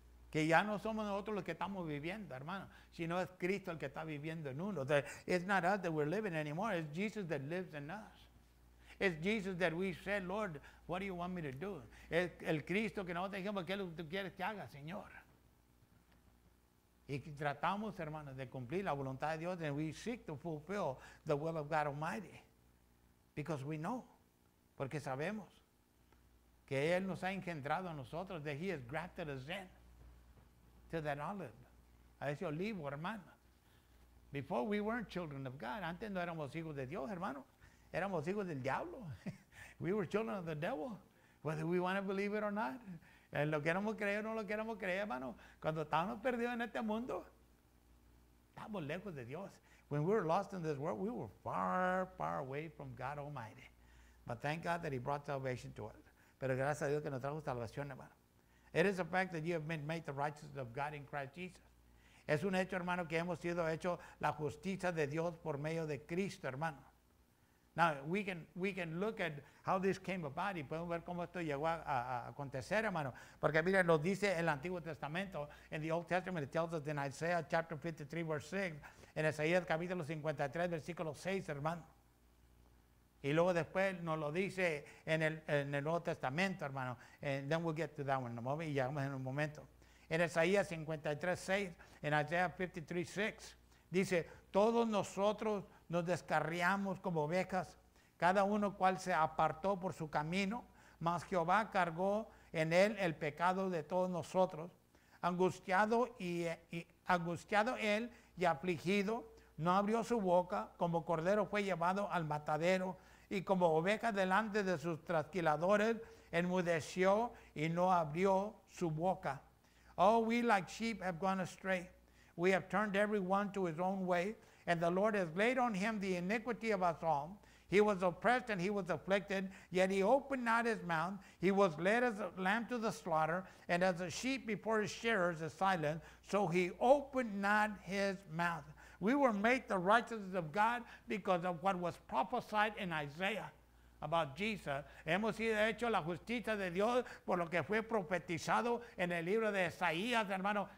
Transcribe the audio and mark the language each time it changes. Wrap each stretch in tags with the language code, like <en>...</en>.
<es>Que ya no somos nosotros los que estamos viviendo, hermano. Sino es Cristo el que está viviendo en uno.</es> <en>It's not us that we're living anymore. It's Jesus that lives in us. It's Jesus that we say, Lord, what do you want me to do?</en> <es>Es el Cristo que nosotros dijimos, ¿qué es lo que tú quieres que haga, Señor? Y tratamos, hermanos, de cumplir la voluntad de Dios,</es> <en>and we seek to fulfill the will of God Almighty. Because we know,</en> <es>porque sabemos que Él nos ha engendrado a nosotros,</es> <en>that He has grafted us in to that olive,</en> <es>a ese olivo, hermano.</es> <en>Before we weren't children of God,</en> <es>antes no éramos hijos de Dios, hermano, éramos hijos del diablo.</es> <en>We were children of the devil, whether we want to believe it or not.</en> <es>Lo queremos creer o no lo queremos creer, hermano. Cuando estábamos perdidos en este mundo, estábamos lejos de Dios.</es> <en>When we were lost in this world, we were far, far away from God Almighty. But thank God that He brought salvation to us.</en> <es>Pero gracias a Dios que nos trajo salvación, hermano.</es> <en>It is a fact that you have been made the righteousness of God in Christ Jesus.</en> <es>Es un hecho, hermano, que hemos sido hecho la justicia de Dios por medio de Cristo, hermano.</es> <en>Now, we can look at how this came about.</en> <es>Y podemos ver cómo esto llegó a acontecer, hermano. Porque, mira, lo dice el Antiguo Testamento.</es> <en>In the Old Testament, it tells us in Isaiah chapter 53, verse 6.</en> <es>En Isaías capítulo 53, versículo 6, hermano. Y luego después nos lo dice en el Nuevo Testamento, hermano.</es> <en>And then we'll get to that one in a moment.</en> <es>Y llegamos en un momento. En Isaías 53, 6. En Isaiah 53, 6. Dice, todos nosotros nos descarriamos como ovejas, cada uno cual se apartó por su camino, mas Jehová cargó en él el pecado de todos nosotros. Angustiado él y afligido, no abrió su boca, como cordero fue llevado al matadero, y como oveja delante de sus trasquiladores, enmudeció y no abrió su boca.</es> <en>Oh, we like sheep have gone astray. We have turned everyone to his own way, and the Lord has laid on him the iniquity of us all. He was oppressed and he was afflicted, yet he opened not his mouth. He was led as a lamb to the slaughter, and as a sheep before his shearers is silent, so he opened not his mouth. We were made the righteousness of God because of what was prophesied in Isaiah about Jesus.</en> <es>Hemos sido hecho la justicia de Dios por lo que fue profetizado en el libro de Isaías, hermano.</es>